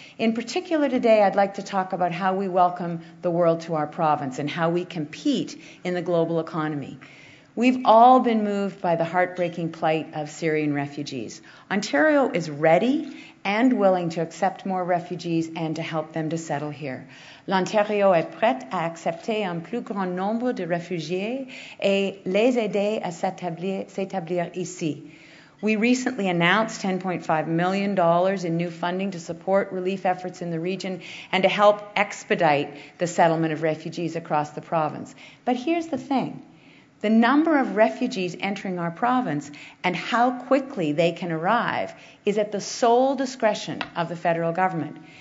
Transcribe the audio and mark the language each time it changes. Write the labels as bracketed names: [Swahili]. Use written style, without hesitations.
[English] In particular today, I'd like to talk about how we welcome the world to our province and how we compete in the global economy. We've all been moved by the heartbreaking plight of Syrian refugees. Ontario is ready and willing to accept more refugees and to help them to settle here. [French] L'Ontario est prête à accepter un plus grand nombre de réfugiés et les aider à s'établir ici. [English] We recently announced $10.5 million in new funding to support relief efforts in the region and to help expedite the settlement of refugees across the province. But here's the thing. The number of refugees entering our province and how quickly they can arrive is at the sole discretion of the federal government.